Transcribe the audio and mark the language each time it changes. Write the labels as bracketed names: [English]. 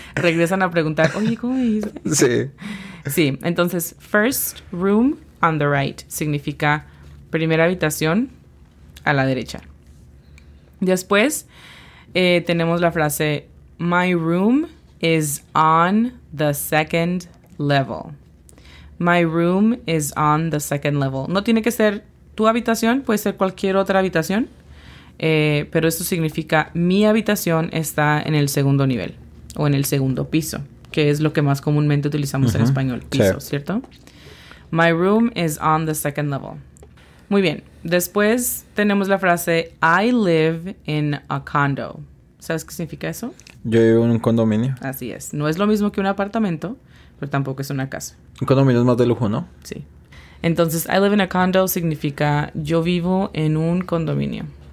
[Spanish] Regresan a preguntar, oye, ¿cómo dice? Sí. Sí, entonces, [English] first room on the right [Spanish] significa primera habitación a la derecha. Después tenemos la frase, [English] my room is on the second level. My room is on the second level. [Spanish] No tiene que ser tu habitación, puede ser cualquier otra habitación. Pero eso significa mi habitación está en el segundo nivel o en el segundo piso, que es lo que más comúnmente utilizamos en español, piso, sí. ¿Cierto? [English] My room is on the second level. [Spanish] Muy bien, después tenemos la frase [English] I live in a condo. [Spanish] ¿Sabes qué significa eso? Yo vivo en un condominio. Así es, no es lo mismo que un apartamento, pero tampoco es una casa. Un condominio es más de lujo, ¿no? Sí. Entonces, [English] I live in a condo [Spanish] significa yo vivo en un condominio.